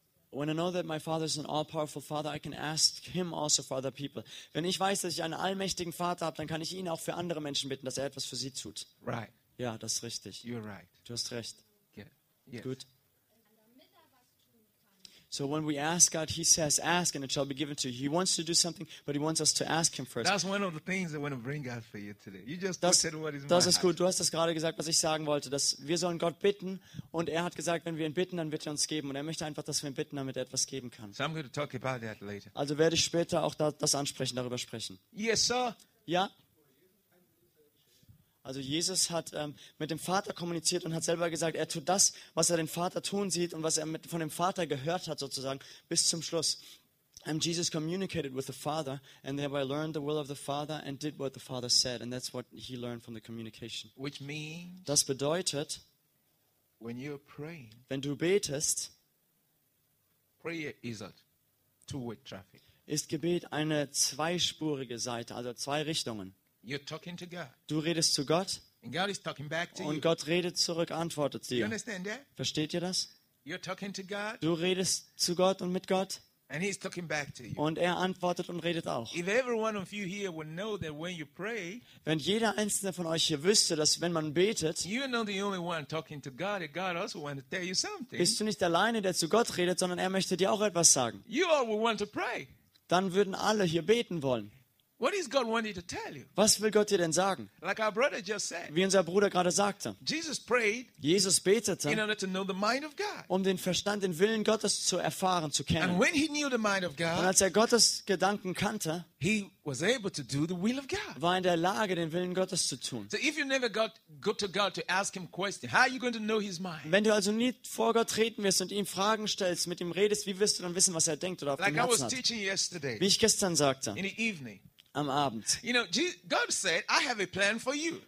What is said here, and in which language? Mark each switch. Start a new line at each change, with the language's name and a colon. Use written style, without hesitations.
English: When I know that my Father is an all-powerful Father, I can ask Him also for other people.
German: Wenn ich weiß, dass ich einen allmächtigen Vater habe, dann kann ich ihn auch für andere Menschen bitten, dass er etwas für sie tut.
English: Right.
German: Ja, das ist richtig.
English: You're right.
German: Du hast recht.
English: Yeah. Yes. Gut. So when we ask God, He says, ask and it shall be given to you. He wants to do something, but He wants us to ask Him first. That's one of the things I want to bring out for you today. You just said what is my
German: heart. Das ist gut. Du hast das gerade gesagt, was ich sagen wollte, dass wir sollen Gott bitten und er hat gesagt, wenn wir ihn bitten, dann wird er uns geben und er möchte einfach, dass wir ihn bitten, damit er etwas geben kann.
English: So I'm going to talk about that later.
German: Also werde ich später auch das ansprechen, darüber sprechen.
English: Yes, sir.
German: Ja. Also Jesus hat mit dem Vater kommuniziert und hat selber gesagt, er tut das, was er den Vater tun sieht und was er von dem Vater gehört hat sozusagen, bis zum Schluss.
English: Jesus communicated with the Father and thereby learned the will of the Father and did what the Father said. And that's what he learned from the communication. Which means,
German: das bedeutet,
English: when you're praying,
German: wenn du betest,
English: prayer is a two-way traffic.
German: Ist Gebet eine zweispurige Seite, also zwei Richtungen.
English: You're talking to God.
German: Du redest zu Gott
English: and God is talking back to
German: und
English: you.
German: Gott redet zurück, antwortet dir.
English: You understand that?
German: Versteht ihr das?
English: You're talking to God,
German: du redest zu Gott und mit Gott
English: and he's talking back to you.
German: Und er antwortet und redet auch.
English: If every one of you here would know that when you pray,
German: wenn jeder einzelne von euch hier wüsste, dass wenn man betet,
English: you're not the only one talking to God, God also wants to tell you something.
German: Bist du nicht alleine, der zu Gott redet, sondern er möchte dir auch etwas sagen.
English: You all would want to pray.
German: Dann würden alle hier beten wollen.
English: What is God wanting to tell you?
German: Was will Gott dir denn sagen?
English: Like our brother just said.
German: Wie unser Bruder gerade sagte.
English: Jesus prayed.
German: Jesus betete.
English: In order to know the mind of God.
German: Um den Verstand, den Willen Gottes zu erfahren, zu kennen.
English: And when he knew the mind of God.
German: Und als er Gottes Gedanken kannte.
English: He was able to do the will of God.
German: War in der Lage, den Willen Gottes zu tun.
English: So if you never go to God to ask him questions, how are you going to know his mind?
German: Wenn du also nie vor Gott treten wirst und ihm Fragen stellst, mit ihm redest, wie wirst du dann wissen, was er denkt oder auf
English: like
German: dem Herzen
English: I was
German: hat?
English: Teaching yesterday,
German: wie ich gestern sagte.
English: In the evening.
German: Am Abend.
English: You know, God said, I have a plan for you.